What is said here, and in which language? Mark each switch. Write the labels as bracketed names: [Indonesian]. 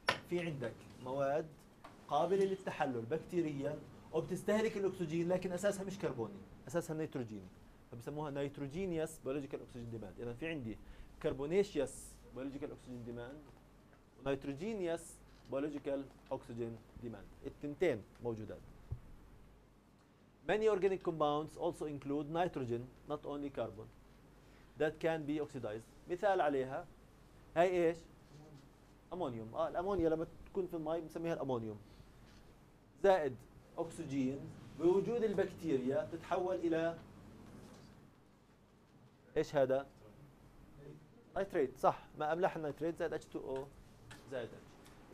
[Arabic] في عندك مواد قابلة للتحلل بكتيريا وبتستهلك الأكسجين لكن أساسها مش كربوني أساسها نيتروجيني فبسموها نيتروجينيوس بيولوجيكال أكسجين ديماند إذا في عندي كربونيشيوس بيولوجيكال أكسجين ديماند ونيتروجينيوس biological oxygen demand. التنتين موجودات. [English] Many organic compounds also include nitrogen, not only carbon, that can be oxidized. [Arabic] مثال عليها هاي ايش؟ أمونيوم. الأمونيا لما تكون في الماء بنسميها الأمونيوم. زائد أكسجين بوجود البكتيريا تتحول إلى ايش هذا؟ نيتريت صح ما أملح النيتريت زائد H2O زائد H.